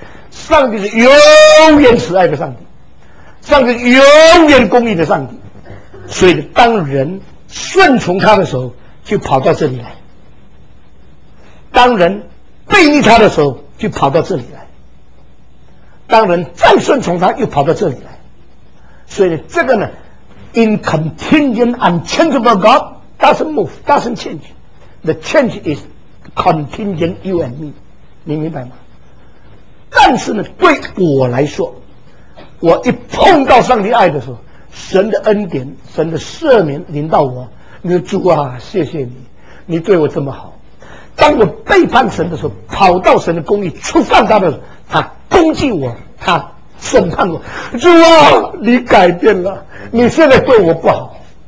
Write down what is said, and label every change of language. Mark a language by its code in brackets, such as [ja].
[zh] 上帝是永远慈爱的上帝，上帝永远公义的上帝，所以当人顺从他的时候就跑到这里来，当人背逆他的时候就跑到这里来，当人再顺从他又跑到这里来。所以这个呢 [en] in contingent unchangeable God doesn't move doesn't change， the change is contingent you and me， [zh] 你明白吗？但是呢对我来说，我一碰到上帝爱的时候，神的恩典神的赦免临到我，你说主啊谢谢你，你对我这么好。当我背叛神的时候，跑到神的公义触犯他的时候，他攻击我，他审判我，主啊你改变了，你现在对我不好。